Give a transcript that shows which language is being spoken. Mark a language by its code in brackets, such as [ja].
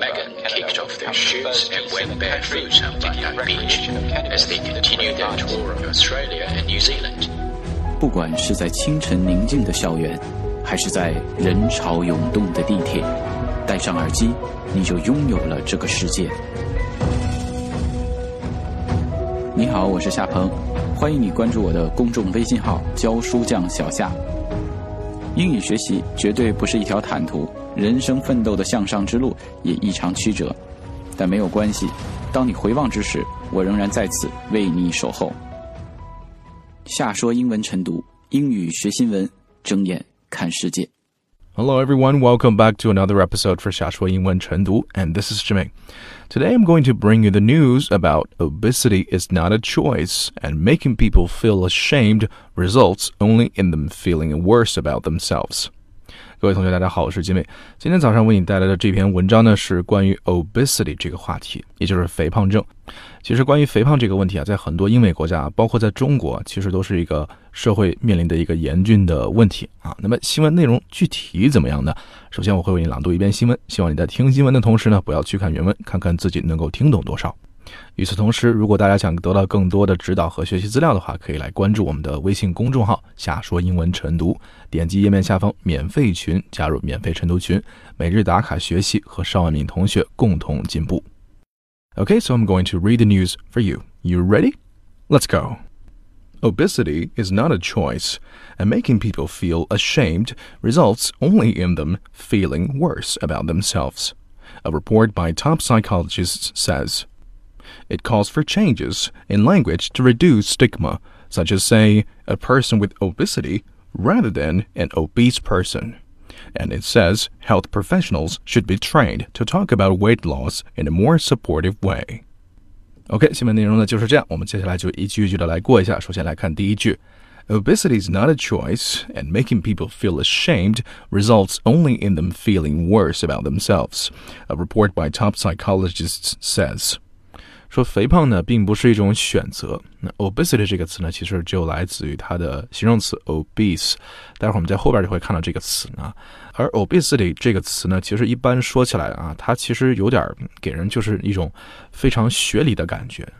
[en] Megan kicked off their shoots and went barefoot on Bondi Beach as they continued their tour of Australia and New Zealand. [zh] 不管是在清晨宁静的校园，还是在人潮涌动的地铁，戴上耳机，你就拥有了这个世界。你好，我是夏鹏，欢迎你关注我的公众微信号教书匠小夏。英语学习绝对不是一条坦途，人生奋斗的向上之路也异常曲折，但没有关系，当你回望之时，我仍然在此为你守候。夏说英文晨读，英语学新闻，睁眼看世界。 [en] Hello everyone, welcome back to another episode for 夏说英文晨读, and this is Jimmy. Today I'm going to bring you the news about obesity is not a choice, and making people feel ashamed results only in them feeling worse about themselves. [zh] 各位同学大家好，我是 Jimmy。今天早上为你带来的这篇文章呢，是关于 obesity 这个话题，也就是肥胖症。其实关于肥胖这个问题啊，在很多英美国家，包括在中国，其实都是一个社会面临的一个严峻的问题啊。那么新闻内容具体怎么样呢？首先我会为你朗读一遍新闻，希望你在听新闻的同时呢，不要去看原文，看看自己能够听懂多少。与此同时，如果大家想得到更多的指导和学习资料的话，可以来关注我们的微信公众号“瞎说英文晨读”，点击页面下方免费群，加入免费晨读群，每日打卡学习，和邵万敏同学共同进步。 [en] Okay, so I'm going to read the news for you. You ready? Let's go. Obesity is not a choice, and making people feel ashamed results only in them feeling worse about themselves. A report by top psychologists says. It calls for changes in language to reduce stigma, such as, say, a person with obesity rather than an obese person. And it says health professionals should be trained to talk about weight loss in a more supportive way. [zh] OK, 新闻内容呢就是这样，我们接下来就一句一句的来过一下。首先来看第一句。 [en] Obesity is not a choice, and making people feel ashamed results only in them feeling worse about themselves, a report by top psychologists says. [zh] 说肥胖呢并不是一种选择。那 obesity 这个词呢其实就来自于它的形容词 obese。待会儿我们在后边就会看到这个词呢。而 obesity 这个词呢其实一般说起来啊，它其实有点给人就是一种非常学理的感觉。